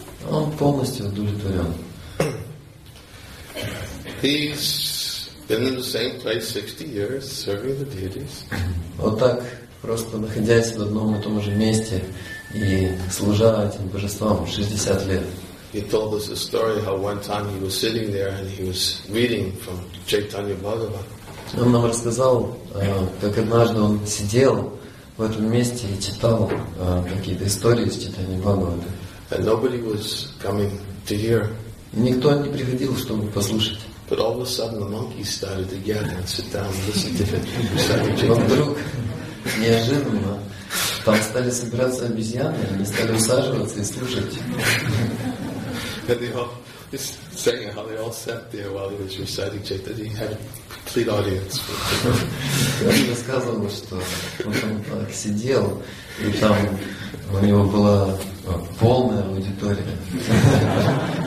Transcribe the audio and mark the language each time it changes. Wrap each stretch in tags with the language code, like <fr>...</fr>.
<ru>Он полностью удовлетворен.</ru> <en>He's been in the same place 60 years, serving the deities.</en> <ru>Вот так, просто находясь в одном и том же месте и служа этим божествам 60 лет.</ru> <en>He told us a story how one time he was sitting there and he was reading from Chaitanya Bhagavat.</en> <ru>Он нам рассказал, как однажды он сидел в этом месте и читал какие-то истории из Чайтаньи Бхагаваты.</ru> <en>And nobody was coming to hear.</en> <ru>И никто не приходил, чтобы послушать.</ru> <en>But all of a sudden the monkeys started to gather and sit down and listen to it.</en> <ru>Вдруг неожиданно там стали собираться обезьяны, они стали усаживаться и слушать.</ru> <en>And they all just saying how they all sat there while he was reciting Chaitanya. He had a complete audience.</en> <ru>Он рассказывал, что он там так сидел, и там у него была полная аудитория.</ru>